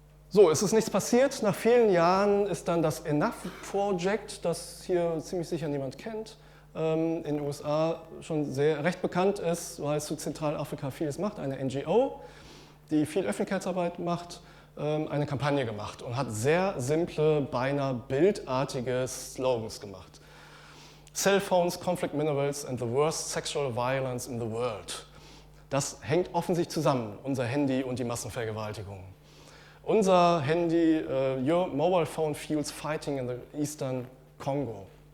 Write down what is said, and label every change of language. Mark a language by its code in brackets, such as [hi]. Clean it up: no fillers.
[de] So, es ist nichts passiert. Nach vielen Jahren ist dann das Enough Project, das hier ziemlich sicher niemand kennt, in den USA schon sehr recht bekannt ist, weil es zu Zentralafrika vieles macht, eine NGO, die viel Öffentlichkeitsarbeit macht, eine Kampagne gemacht und hat sehr simple, beinahe bildartige Slogans gemacht. [en] Cell phones, conflict minerals and the worst sexual violence in the world. [de] Das hängt offensichtlich zusammen, unser Handy und die Massenvergewaltigung. Unser Handy, [en] your mobile phone fuels fighting in the eastern Congo.